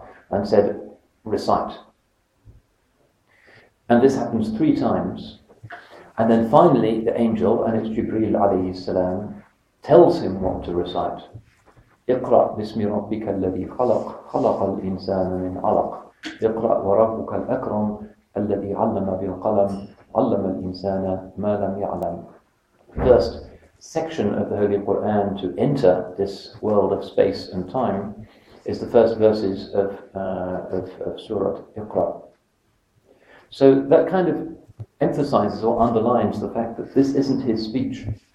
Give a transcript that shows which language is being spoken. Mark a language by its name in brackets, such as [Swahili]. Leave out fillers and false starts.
[English] And said, recite. And this happens three times. And then finally, the angel, and it's Jibreel alayhi salam, tells him what to recite. [Arabic] اقرأ بسم ربك الذي خلق خلق الإنسان من علق. اقرأ وربك الأكرم الذي علم بالقلم علم الإنسان ما لم يعلم. [English] First section of the Holy Quran to enter this world of space and time is the first verses of Surah Iqra. So that kind of emphasizes or underlines the fact that this isn't his speech.